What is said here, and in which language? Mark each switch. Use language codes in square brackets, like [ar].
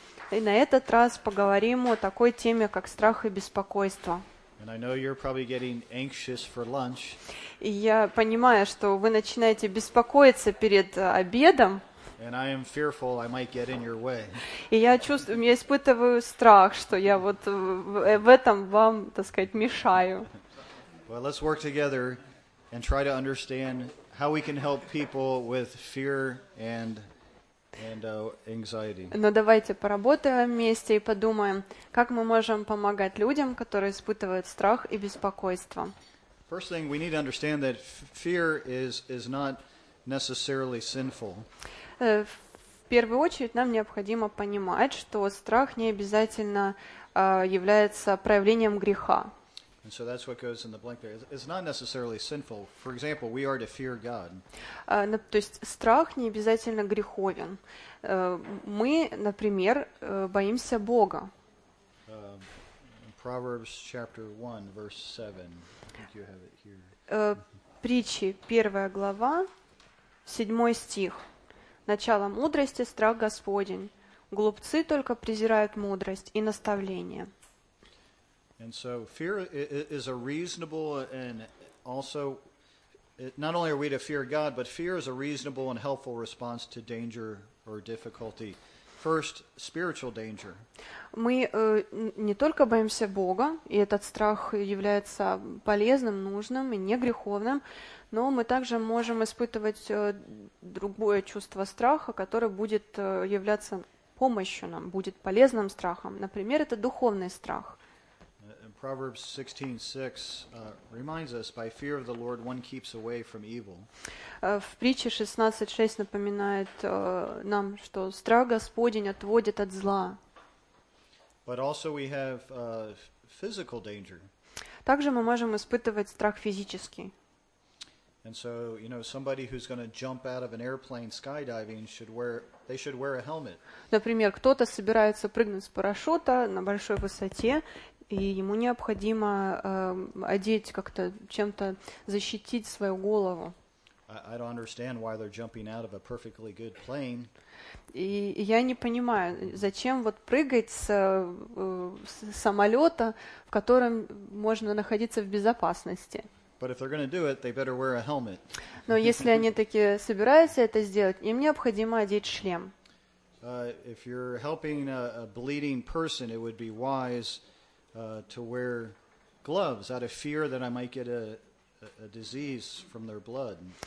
[ru] И на этот раз поговорим о такой теме, как страх и беспокойство. [en] And I know you're probably getting anxious for lunch. [ru] И я понимаю, что вы начинаете беспокоиться перед обедом. [en] And I am fearful I might get in your way. [ru] И я чувствую, я испытываю страх, что я вот в этом вам, так сказать, мешаю. [en] Well, let's work together and try to understand how we can help people with fear and anxiety. [ru] Но давайте поработаем вместе и подумаем, как мы можем помогать людям, которые испытывают страх и беспокойство. [en] First thing we need to understand that fear is not necessarily sinful. [ru] В первую очередь нам необходимо понимать, что страх не обязательно является проявлением греха. [en] And so that's what goes in the blank there. It's not necessarily sinful. For example, we are to fear God. [ru] То есть страх не обязательно греховен. Мы, например, боимся Бога. [en] Proverbs chapter 1, verse 7. I think you have it here. [ru] Притчи, 1 глава, 7 стих. Начало мудрости – страх Господень. Глупцы только презирают мудрость и наставление. [en] And so fear is a reasonable and also not only are we to fear God, but fear is a reasonable and helpful response to danger or difficulty. First, spiritual danger. [ru] Мы не только боимся Бога, и этот страх является полезным, нужным и не греховным, но мы также можем испытывать другое чувство страха, которое будет являться помощью нам, будет полезным страхом. Например, это духовный страх. [en] Proverbs 16:6 reminds us by fear of the Lord one keeps away from evil. [ru] В притче 16:6 напоминает нам, что страх Господень отводит от зла. [en] But also we have physical danger. [ru] Также мы можем испытывать страх физический. [en] And so, you know, somebody who's going to jump out of an airplane skydiving should wear a helmet. [ru] Например, кто-то собирается прыгнуть с парашюта на большой высоте, и ему необходимо одеть как-то, чем-то защитить свою голову. [en] I don't understand why they're jumping out of a perfectly good plane. [ru] И я не понимаю, зачем вот прыгать с самолета, в котором можно находиться в безопасности. [en] But if they're going to do it, they better wear a helmet. [ru] Но если они таки собираются это сделать, им необходимо одеть шлем. [en] If you're helping a bleeding person, it would be wise to wear gloves out of fear that I might get a disease from their blood.